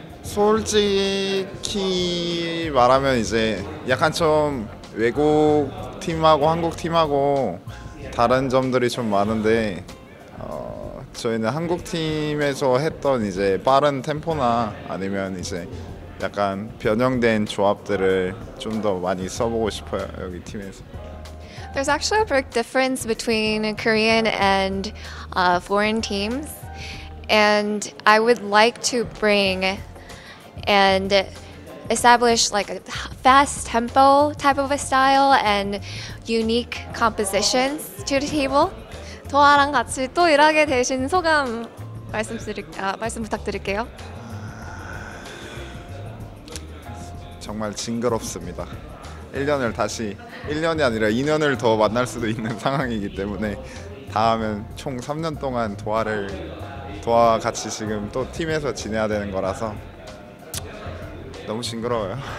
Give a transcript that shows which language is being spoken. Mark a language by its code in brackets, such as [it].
[ko] 솔직히 말하면 이제 약간 좀 외국 팀하고 한국 팀하고 다른 점들이 좀 많은데 저희는 한국 팀에서 했던 이제 빠른 템포나 아니면 이제 약간 변형된 조합들을 좀더 많이 써보고 싶어요, 여기 팀에서. [en] There's actually a big difference between Korean and foreign teams, and I would like to bring and establish like a fast tempo type of a style and unique compositions to the table. [ko] 도아랑 같이 또 일하게 되신 소감 말씀 부탁드릴게요. 정말 징그럽습니다. 1년을 다시, 1년이 아니라 2년을 더 만날 수도 있는 상황이기 때문에 다음엔 총 3년 동안 도아와 같이 지금 또 팀에서 지내야 되는 거라서 너무 징그러워요.